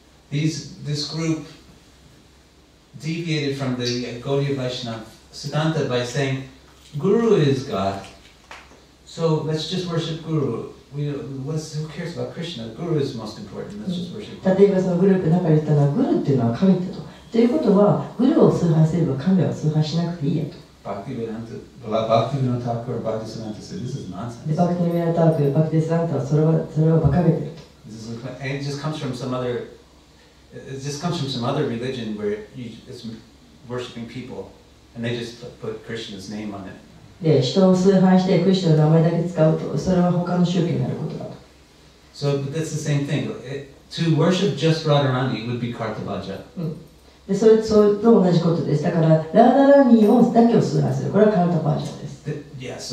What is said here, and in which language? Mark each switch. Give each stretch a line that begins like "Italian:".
English: This group deviated from the Gaudiya Vaishnava Siddhanta by saying, Guru is God, so let's just worship Guru. Who cares about Krishna? Guru is most important, let's just worship Guru.
Japanese: 例えばそのグループの中で言ったのは、グルっていうのは神だと。ということは、グルを崇拝すれば神は崇拝しなくていいやと。
English: Bhakti Vedanta Thakur said, this is nonsense.
Japanese: Bhakti Vedanta Thakur, Bhakti Siddhanta それは馬鹿げてると。
English: It just comes from some other religion where it's worshipping people. And they just put Krishna's name on it.
Japanese: で、人を崇拝してクリシナの名前だけ使うと、それは他の宗教になることだと。
English: So, but that's the same thing. To worship just Radharani would be Kartavaja.
Japanese: で、それと同じことです。だから、ラダラニをだけを崇拝する。これはカルタバージャです。